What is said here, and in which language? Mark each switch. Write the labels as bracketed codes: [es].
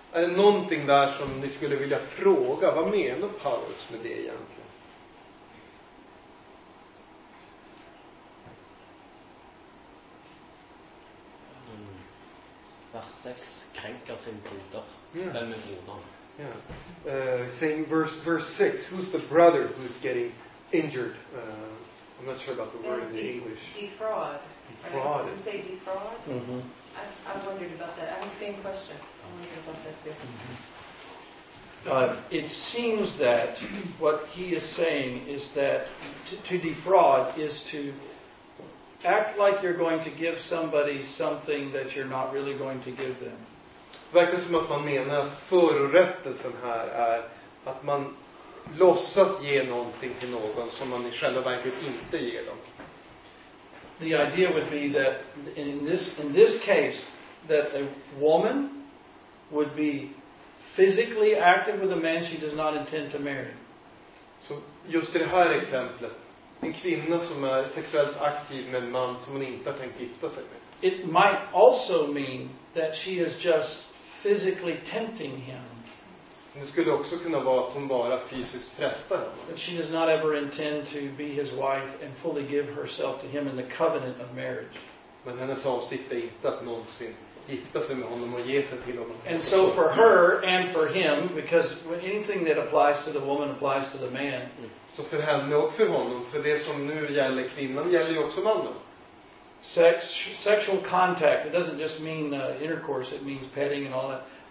[sv] Är det någonting där som ni skulle vilja fråga? Vad menar Paulus med det egentligen? Vers 6 kränker sin broder. Vem är brodern? [en] Same verse 6. Who's the brother who's getting injured? I'm not sure about the word in English. Defraud. Defraud. Does it say defraud? Mm-hmm. I wondered about that. I have the same question. I wondered about that too. Mm-hmm. It seems that what he is saying is that to defraud is to act like you're going to give somebody something that you're not really going to give them. [sv] Det verkar som att man menar att förorättelsen här är att man låtsas ge någonting till någon som man i själva verket inte ger dem. [en] The idea would be that in this case that a woman would be physically active with a man she does not intend to marry. [sv] Så just i det här exemplet, en kvinna som är sexuellt aktiv med en man som hon inte har tänkt gifta sig med. [en] It might also mean that she is just physically tempting him. [sv] Det skulle också kunna vara att hon bara fysiskt frestar honom. [en] But she does not ever intend to be his wife and fully give herself to him in the covenant of marriage. [sv] Men hennes avsikt är inte att någonsin gifta sig med honom och ge sig till honom. [en] And so for her and for him, because anything that applies to the woman applies to the man. [sv] Så för henne och för honom, för det som nu gäller kvinnan gäller ju också mannen. [en] Sexual contact, it doesn't just mean intercourse, it means petting and all that.